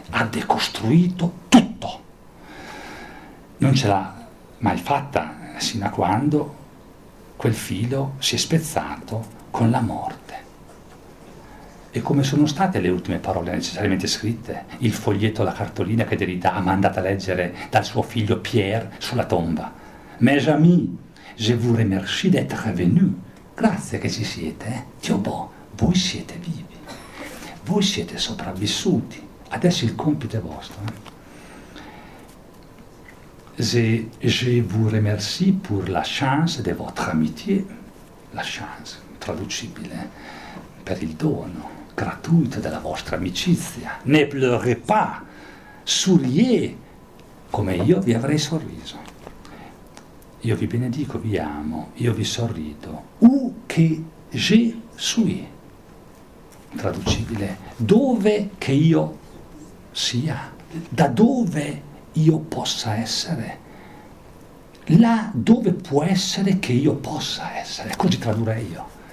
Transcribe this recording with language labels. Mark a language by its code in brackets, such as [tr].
[it] Ha decostruito tutto. Non ce l'ha mai fatta, sino a quando quel filo si è spezzato con la morte. E come sono state le ultime parole necessariamente scritte? Il foglietto, la cartolina che Derrida ha mandato a leggere dal suo figlio Pierre sulla tomba. [fr] Mes amis, je vous remercie d'être venu. [it] Grazie che ci siete. Dio boh, voi siete vivi. Voi siete sopravvissuti. Adesso il compito è vostro. [fr] Je vous remercie pour la chance de votre amitié. [it] La chance, traducibile, per il dono gratuito della vostra amicizia. [fr] Ne pleurez pas, souriez, [it] come io vi avrei sorriso. Io vi benedico, vi amo, io vi sorrido. [fr] Où que je suis, [it] traducibile, dove che io sia, da dove io possa essere, là dove può essere che io possa essere. Così tradurrei io.